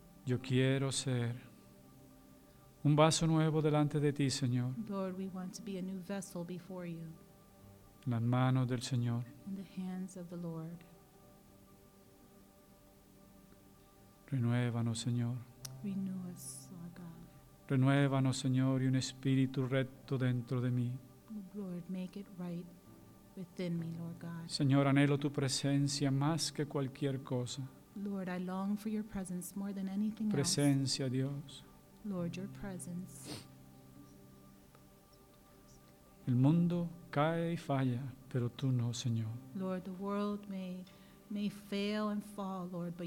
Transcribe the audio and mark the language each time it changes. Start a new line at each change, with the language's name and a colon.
Spanish: Yo quiero ser un vaso nuevo delante de ti, Señor.
English: Lord, we want to be a new vessel before you.
Spanish: En las manos del Señor.
English: In the hands of the Lord.
Spanish: Renuévanos, Señor.
English: Renew us.
Spanish: Renuévanos, Señor, y un espíritu recto dentro de mí.
English: Lord, make it right within me, Lord God.
Spanish: Señor, anhelo tu presencia más que cualquier cosa.
English: Lord, I long for your presence more than anything else.
Spanish: Presencia, Dios.
English: Lord, your presence.
Spanish: El mundo cae y falla, pero tú no, Señor.
English: Lord, the world may fail and fall, Lord, but